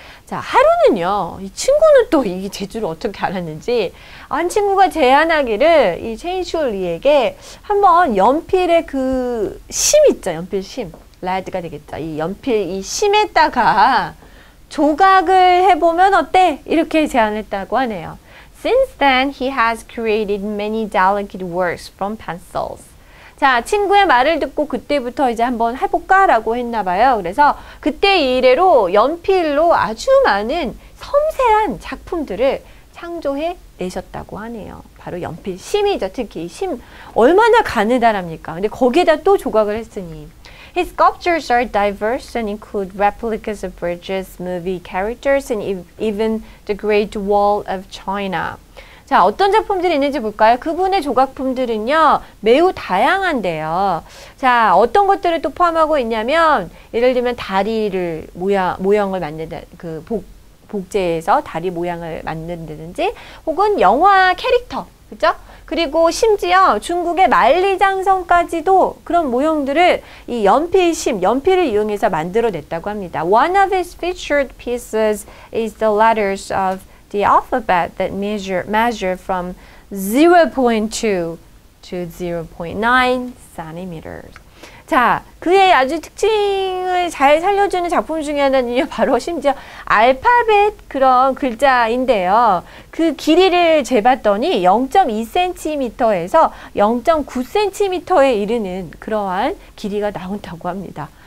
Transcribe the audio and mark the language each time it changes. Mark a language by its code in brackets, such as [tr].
[ko] 자, 하루는요, 이 친구는 또이 재주를 어떻게 알았는지, 한 친구가 제안하기를 이 체인슐리에게 한번 연필의 그심 있죠, 연필 심. 레드가 되겠죠. 이 연필 이 심에다가 조각을 해보면 어때? 이렇게 제안했다고 하네요. [en] Since then, he has created many delicate works from pencils. [ko] 자, 친구의 말을 듣고 그때부터 이제 한번 해볼까라고 했나 봐요. 그래서 그때 이래로 연필로 아주 많은 섬세한 작품들을 창조해 내셨다고 하네요. 바로 연필 심이죠. 특히 심. 얼마나 가느다랍니까? 근데 거기에다 또 조각을 했으니. [en] His sculptures are diverse and include replicas of bridges, movie characters, and even the Great Wall of China. [ko] 자, 어떤 작품들이 있는지 볼까요? 그분의 조각품들은요, 매우 다양한데요. 자, 어떤 것들을 또 포함하고 있냐면, 예를 들면 다리를 모형을 만든다, 그 복제해서 다리 모양을 만든다든지, 혹은 영화 캐릭터, 그죠? 그리고 심지어 중국의 만리장성까지도 그런 모형들을 이 연필심, 연필을 이용해서 만들어 냈다고 합니다. [en] One of his featured pieces is the letters of the alphabet that measure from 0.2 to 0.9 cm. [ko] 자, 그의 아주 특징을 잘 살려주는 작품 중에 하나는요, 바로 심지어 알파벳 그런 글자인데요. 그 길이를 재봤더니 0.2cm에서 0.9cm에 이르는 그러한 길이가 나온다고 합니다.